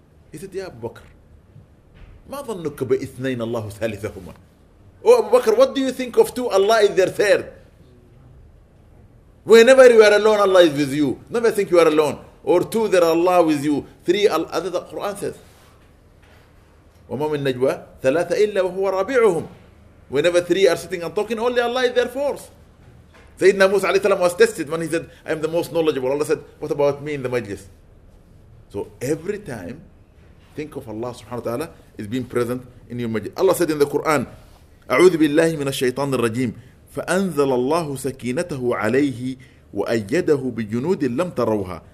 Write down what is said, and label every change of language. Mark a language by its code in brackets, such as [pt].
[en] He said, [ar] Ya Abu Bakr, ما ظنك بإثنين الله ثالثهما? [en] Oh Abu Bakr, what do you think of two? Allah is their third. Whenever you are alone, Allah is with you. Never think you are alone. Or two, there are Allah with you. Three, as the Quran says. [ar] وما من نجوى ثلاثة إلا وهو رابعهم. [en] Whenever three are sitting and talking, only Allah is their fourth. Sayyidina Musa alayhi salam was tested when he said, I am the most knowledgeable. Allah said, what about me in the majlis? So every time, think of Allah subhanahu wa ta'ala is being present in your majlis. Allah said in the Quran, [ar] أعوذ بالله من الشيطان الرجيم فأنزل الله سكينته عليه وأيده بجنود لم تروها.